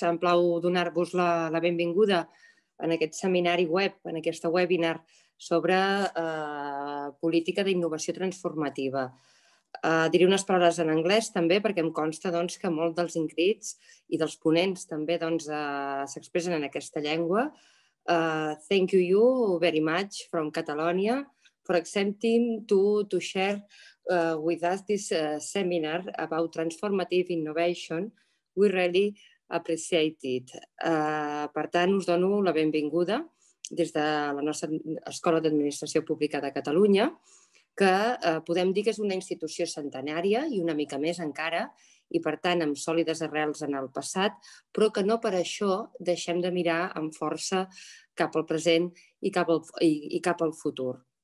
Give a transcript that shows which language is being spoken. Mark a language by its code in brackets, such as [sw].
[ca] Em plau donar-vos la benvinguda en aquest seminari web, en aquest webinar sobre política d'innovació transformativa. Diré unes paraules en anglès també perquè em consta doncs, que molt dels inscrits i dels ponents també s'expressen en aquesta llengua. [en] Thank you very much from Catalonia for accepting to share with us this seminar about transformative innovation. We really appreciate it. [ca] Per tant, us dono la benvinguda des de la nostra Escola d'Administració Pública de Catalunya, que podem dir que és una institució centenària i una mica més encara, i per tant amb sòlides arrels en el passat, però que no per això deixem de mirar amb força cap al present i cap al futur.